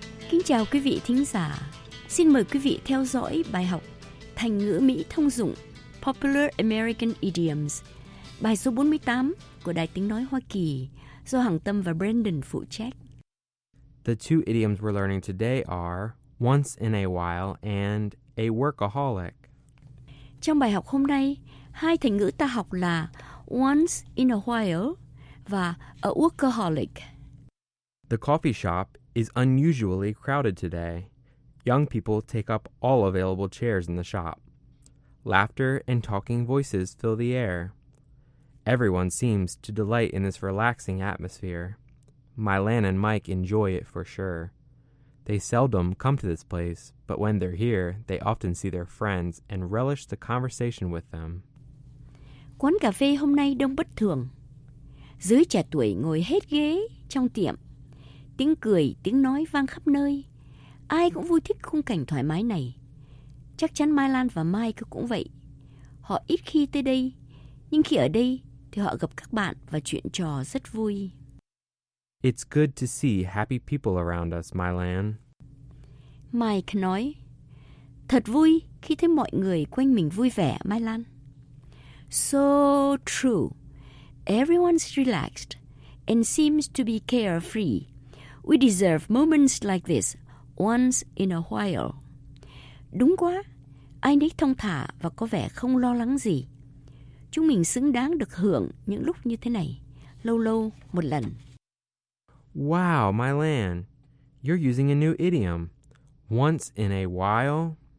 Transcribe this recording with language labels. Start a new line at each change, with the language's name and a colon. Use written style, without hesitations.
Vietnamese: Kính chào quý vị thính giả. Xin mời quý vị theo dõi bài học thành ngữ Mỹ thông dụng Popular American Idioms, bài số 48 của Đài Tiếng Nói Hoa Kỳ, do Hằng Tâm và Brandon phụ trách.
English: The two idioms we're learning today are once in a while and a workaholic.
Vietnamese: Trong bài học hôm nay, hai thành ngữ ta học là
English: once in a while
Vietnamese: và
English: a workaholic. The coffee shop is unusually crowded today. Young people take up all available chairs in the shop. Laughter and talking voices fill the air. Everyone seems to delight in this relaxing atmosphere. Mylan and Mike enjoy it for sure. They seldom come to this place, but when they're here, they often see their friends and relish the conversation with them.
Vietnamese: Quán cà phê hôm nay đông bất thường. Giới trẻ tuổi ngồi hết ghế trong tiệm. Tiếng cười, tiếng nói vang khắp nơi. Ai cũng vui thích khung cảnh thoải mái này. Chắc chắn Mai Lan và Mike cũng vậy. Họ ít khi tới đây, nhưng khi ở đây thì họ gặp các bạn và chuyện trò rất vui.
English: It's good to see happy people around us, Mai Lan.
Vietnamese: Mike nói, thật vui khi thấy mọi người quanh mình vui vẻ, Mai Lan.
English: So true. Everyone's relaxed and seems to be carefree. We deserve moments like this once in a while.
Vietnamese: Đúng quá. Ai nấy thong thả và có vẻ không lo lắng gì. Chúng mình xứng đáng được hưởng những lúc như thế này, lâu lâu một lần.
English: Wow, Mylan, you're using a new idiom. Once in a while.